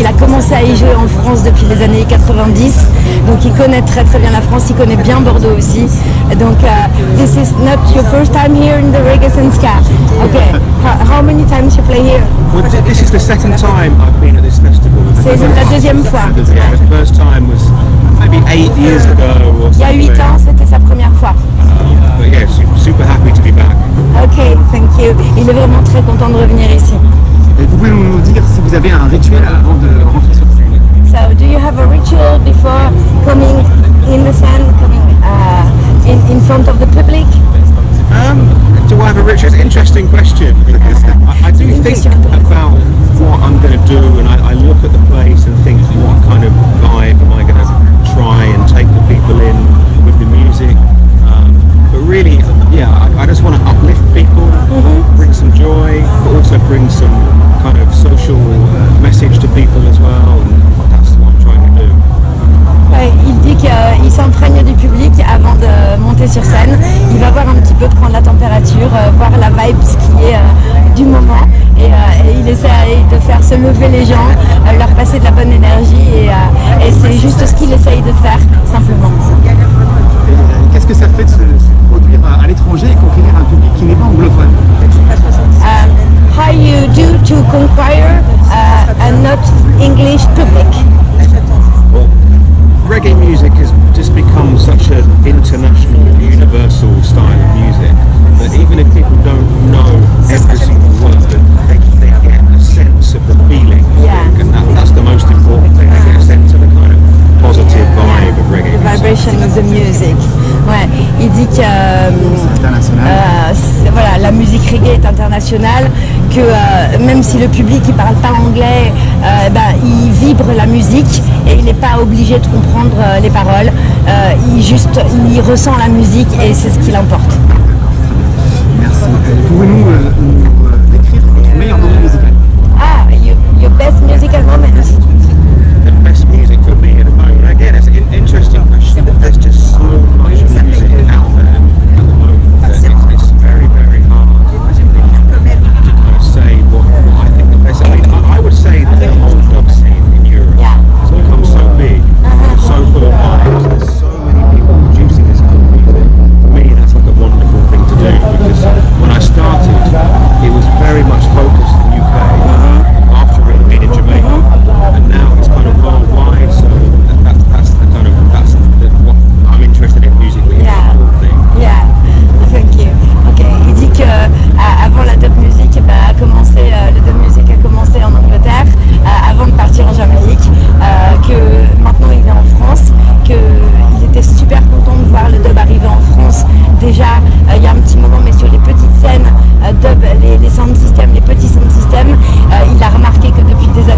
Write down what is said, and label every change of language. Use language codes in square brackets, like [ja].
[fr] Il a commencé à y jouer en France depuis les années 90, donc il connaît très très bien la France, il connaît bien Bordeaux aussi. [en] Donc, this is not your first time here in the reggae and ska. Okay, how many times you play here? Well, this is the second time I've been at this festival. [fr] C'est la deuxième fois. [en] Yeah, the first time was maybe 8 years ago. [fr] Il y a 8 ans, c'était sa première fois. [en] But yes, yeah, super happy to be back. Okay, thank you. [fr] Il est vraiment très content de revenir ici. Vous pouvez nous dire si vous avez un rituel avant de rentrer sur scène. [en] So, do you have a ritual before coming in the sand, coming in front of the public? Do I have a ritual? It's an interesting question because I do think about what I'm going to do, and I look at the place and think, what kind of vibe am I going to try and take the people in with the music? But really, yeah, I just want to uplift people, bring some joy, but also bring some kind of social message to people as well, and that's what I'm trying to do. [fr] Il dit qu'il s'imprègne du public avant de monter sur scène. Il va voir un petit peu, prendre la température, voir la vibe qui est du moment. Et il essaye de faire se lever les gens, leur passer de la bonne énergie. Et c'est juste ce qu'il essaye de faire, simplement. Qu'est-ce que ça fait de se produire à l'étranger et conquérir un public qui n'est pas anglophone? [en] How you do to conquer a not English public? Reggae music has just become such an international, universal style of music that even if people don't know every single word, they get a sense of the feeling. Yeah. And that's the most important thing, they get a sense of the kind of positive vibe of reggae music. The vibration of the music. [fr] Ouais, il dit que voilà, la musique reggae est internationale, que même si le public ne parle pas anglais, il vibre la musique et il n'est pas obligé de comprendre les paroles. Il ressent la musique et c'est ce qui l'importe. Merci. Pouvez-nous nous décrire votre meilleur moment musical? [en] Ah, your best musical moment. The best music for me at the moment. Again, it's an interesting question. There's just so much music out there at the moment that it's very, very hard to kind of say what I think the best. I mean, I would say that the whole dub scene in Europe has become so big, so full of art. There's so many people producing this kind of music. For me, that's like a wonderful thing to do because when I started, it was very much focused in the UK. In Jamaica, and now it's kind of worldwide, so that's what I'm interested in musically. Yeah. The whole thing. Yeah, thank you. [fr] Okay, il dit que avant la dub music, bah, le dub music a commencé en Angleterre, avant de partir en Jamaïque, que maintenant il est en France, qu'il était super content de voir le dub arriver en France. Déjà, il y a un petit moment, mais sur les petites scènes, dub, les sound systems, les petits sound systems, il a remarqué que depuis